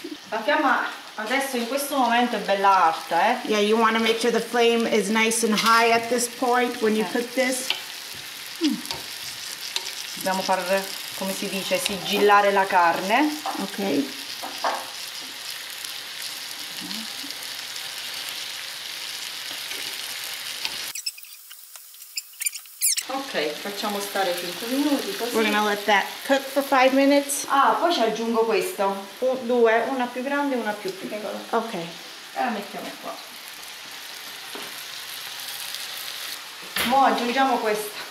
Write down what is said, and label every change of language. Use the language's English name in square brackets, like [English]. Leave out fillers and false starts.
[Italian] La fiamma adesso in questo momento è bella alta, eh? [English] Yeah, you want to make sure the flame is nice and high at this point when you cook this. [Italian] Dobbiamo far, come si dice, sigillare la carne. Ok. Ok, facciamo stare 5 minuti così. [English] We're gonna let that cook for 5 minutes. [Italian] Ah, poi ci aggiungo questo. Due, una più grande e una più piccola. Ok. E la mettiamo qua. Mo aggiungiamo questa.